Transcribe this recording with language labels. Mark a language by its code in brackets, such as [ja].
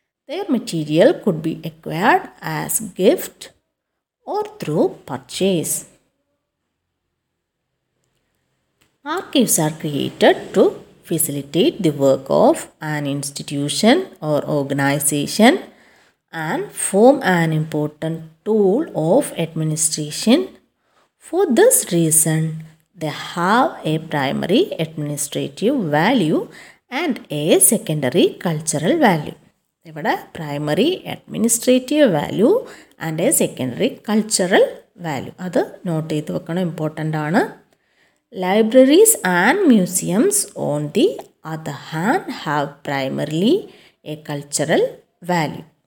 [en] Their material could be acquired as gift or through purchase. Archives are created to facilitate the work of an institution or organisation and form an important tool of administration. For this reason, they have a primary administrative value and a secondary cultural value. ഇവിടെ primary administrative value and a secondary cultural value. [ml] അത് not ചെയ്ത് വെക്കണം, important ആണ്. [en] Libraries and museums, on the other hand, have primarily a cultural value.